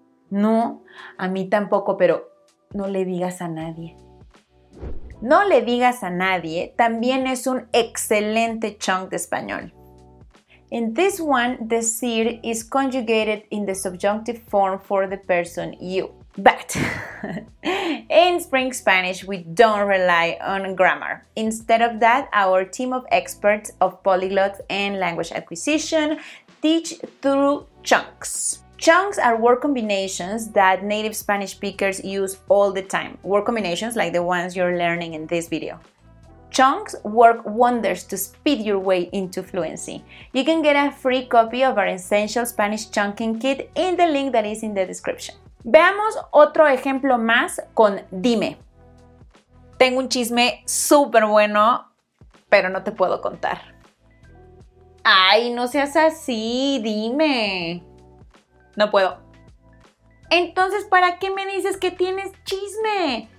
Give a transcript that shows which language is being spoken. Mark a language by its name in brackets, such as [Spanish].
[Spanish] No, a mí tampoco, pero no le digas a nadie. No le digas a nadie también es un excelente chunk de español. [English] In this one, decir is conjugated in the subjunctive form for the person you. But in Spring Spanish, we don't rely on grammar. Instead of that, our team of experts of polyglots and language acquisition teach through chunks. Chunks are word combinations that native Spanish speakers use all the time. Word combinations like the ones you're learning in this video. Chunks work wonders to speed your way into fluency. You can get a free copy of our essential Spanish chunking kit in the link that is in the description. [Spanish] Veamos otro ejemplo más con dime. Tengo un chisme súper bueno, pero no te puedo contar. Ay, no seas así, dime. No puedo. Entonces, ¿para qué me dices que tienes chisme?